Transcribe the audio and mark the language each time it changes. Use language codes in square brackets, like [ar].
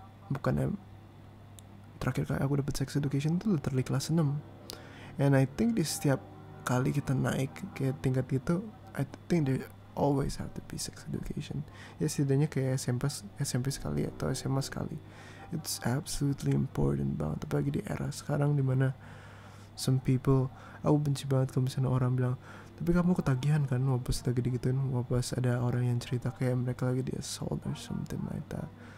[id] Bukannya terakhir kali aku dapat sex education itu literally kelas 6. [en] And I think [id] di setiap kali kita naik ke tingkat itu, [en] I think there always have to be sex education. [id] Ya setidaknya kayak SMP sekali atau SMA sekali. [en] It's absolutely important [id] banget. Apalagi di era sekarang dimana [en] some people, [id] aku benci banget kalau misalnya orang bilang, tapi kamu ketagihan kan, wapas lagi digituin, wapas ada orang yang cerita kayak mereka lagi di assault [en] or something like that.